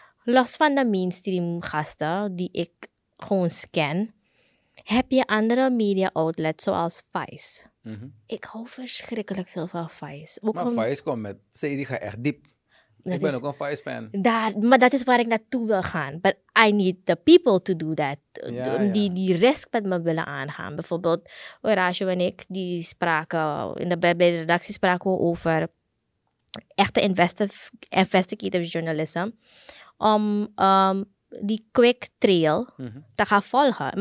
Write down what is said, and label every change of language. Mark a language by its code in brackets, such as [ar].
[nl] Los van de mainstream gasten die ik gewoon scan, heb je andere media outlets zoals Vice. Mm-hmm. Ik hou verschrikkelijk veel van Vice. Ook maar Vice komt met, die gaat echt diep. Ik ben ook een Vice fan. Maar dat is waar ik naartoe wil gaan. [en] But I need the people to do that. [nl] Die risk met me willen aangaan. Bijvoorbeeld, Horacio en ik, die spraken, bij de redactie spraken we over echte [en] investigative journalism. [nl] Om die [en] quick trail [nl] te gaan volgen.